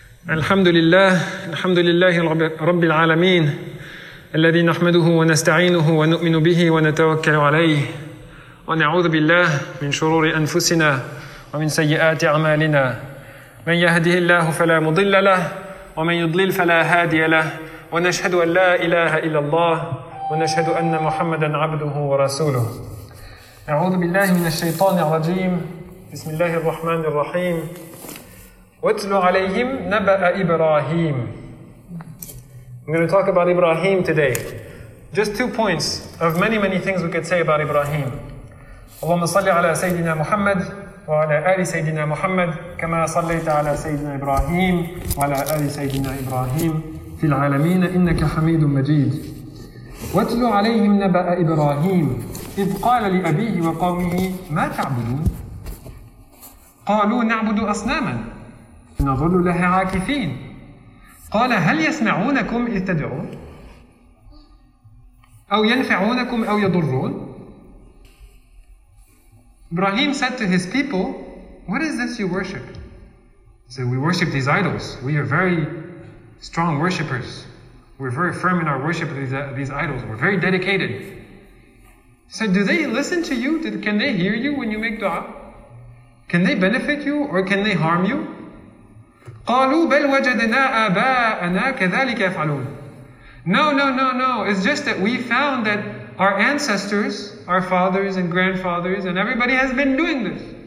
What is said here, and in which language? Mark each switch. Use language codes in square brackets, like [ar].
[ar] الحمد لله رب العالمين الذي نحمده ونستعينه ونؤمن به ونتوكل عليه ونعوذ بالله من شرور أنفسنا ومن سيئات أعمالنا من يهده الله فلا مضل له ومن يضلل فلا هادي له ونشهد أن لا إله إلا الله ونشهد أن محمدا عبده ورسوله أعوذ بالله من الشيطان الرجيم بسم الله الرحمن الرحيم وَاتْلُ عَلَيْهِمْ نَبَأَ إِبْرَاهِيمِ [en] I'm going to talk about Ibrahim today. Just two points of many, many things we could say about Ibrahim. [ar] اللهم صل على سيدنا محمد وعلى آل سيدنا محمد كما صليت على سيدنا إبراهيم وعلى آل سيدنا إبراهيم في العالمين إنك حميد مجيد وَاتْلُ عَلَيْهِمْ نَبَأَ إِبْرَاهِيمِ إِذْ قَالَ لِأَبِيهِ وَقَوْمِهِ مَا تَعْبُدُونَ قَالُوا نَعْبُدُ أَصْنَامًا نظل لها عاكفين قال هل يسمعونكم إذ تدعون أو ينفعونكم أو يضرون [en] Ibrahim said to his people, what is this you worship? He said, we worship these idols. We are very strong worshippers. We're very firm in our worship of these idols. We're very dedicated. He said, do they listen to you? Can they hear you when you make dua? Can they benefit you or can they harm you? [ar] قَالُوا بَلْ وَجَدْنَا آبَاءَنَا كَذَلِكَ يَفْعَلُونَ [en] No, it's just that we found that our ancestors, our fathers and grandfathers and everybody has been doing this.